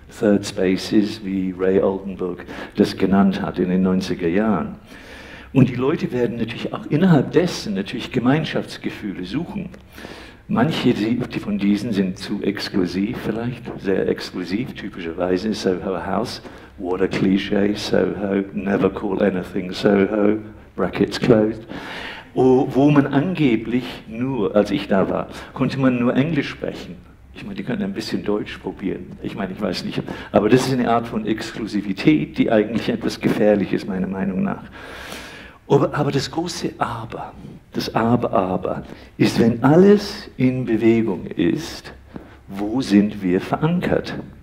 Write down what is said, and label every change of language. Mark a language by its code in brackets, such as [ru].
[de] Third Spaces, wie Ray Oldenburg das genannt hat in den 90er Jahren. Und die Leute werden natürlich auch innerhalb dessen natürlich Gemeinschaftsgefühle suchen. Manche von diesen sind zu exklusiv vielleicht, sehr exklusiv, typischerweise Soho House. [en] What a cliche, Soho, never call anything Soho, brackets closed. [de] Wo man angeblich nur, als ich da war, konnte man nur Englisch sprechen. Ich meine, die können ein bisschen Deutsch probieren. Ich meine, ich weiß nicht. Aber das ist eine Art von Exklusivität, die eigentlich etwas gefährlich ist, meiner Meinung nach. Aber das große Aber, das Aber, ist, wenn alles in Bewegung ist, wo sind wir verankert?